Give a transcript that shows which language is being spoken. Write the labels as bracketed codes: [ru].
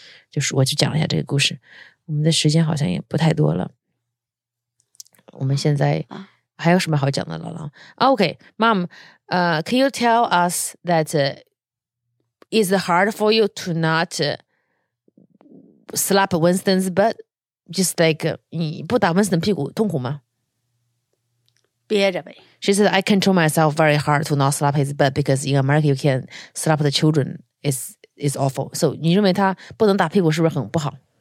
[zh] 就是我就讲了一下这个故事。我们的时间好像也不太多了。我们现在还有什么好讲的了？ [en] Okay, mom, can you tell us that is it hard for you to not slap Winston's butt? Just like, [zh] 你不打Winston屁股痛苦吗？憋着呗。 [en] She said, I control myself very hard to not slap his butt because in America you can't slap the children. It's awful. [zh] So, 你认为他不能打屁股是不是很不好？